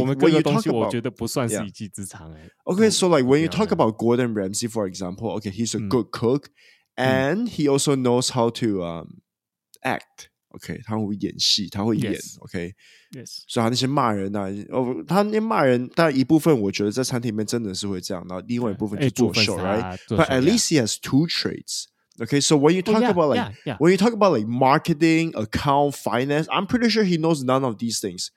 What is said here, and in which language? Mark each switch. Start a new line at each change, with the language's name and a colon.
Chinese: 我们各个东西我觉得不算是一技之长、欸
English: yeah. OK so like when you talk about Gordon Ramsay for example OK he's a good cook、嗯、and he also knows how to act OK
Chinese: 他会演戏他会演
English: yes. OK yes.
Chinese: 所以他那些骂人啊、哦、他那些骂人但一部分我觉得在餐厅里面真的是会这样然后另外一部分就做
English: show、啊、 right but at least he has two traits Okay, so when you talk、 oh, yeah, about like yeah, yeah. when you talk about like marketing, account, finance, I'm pretty sure he knows none of these things.